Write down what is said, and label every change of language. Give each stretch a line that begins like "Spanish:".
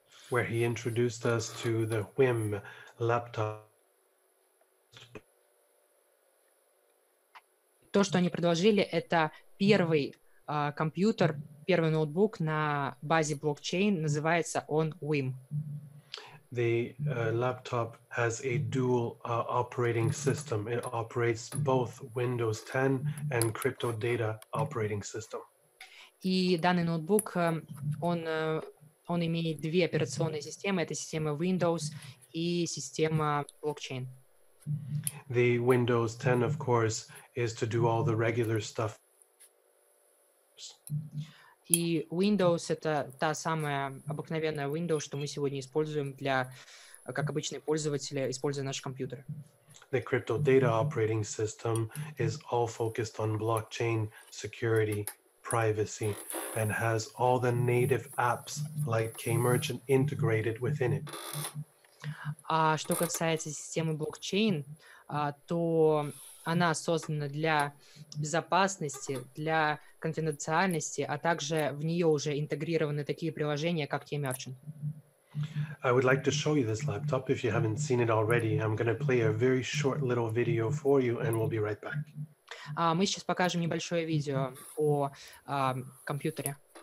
English: Where he introduced us to the WIM laptop.
Russian: То, что они предложили, это первый компьютер, первый ноутбук на базе блокчейн, называется он WIM.
English: the laptop has a dual operating system. It operates both Windows 10 and Crypto Data operating system.
Russian: И данный ноутбук, он имеет две операционные системы. Это система Windows и система блокчейн.
English: The Windows 10, of course, is to do all the regular stuff.
Russian: И Windows — это та самая обыкновенная Windows, что мы сегодня используем для, как обычные пользователи, используя наш компьютер.
English: The crypto data operating system is all focused on blockchain security, privacy, and has all the native apps like KMerchant integrated within it.
Russian: А что касается системы блокчейн, то она создана для безопасности, для конфиденциальности, а также в нее уже интегрированы такие приложения, как KMerchant.
English: I would like to show you this laptop if you haven't seen it already. I'm going to play a very short little video for you and we'll be right back.
Russian: Мы сейчас покажем небольшое видео о компьютере.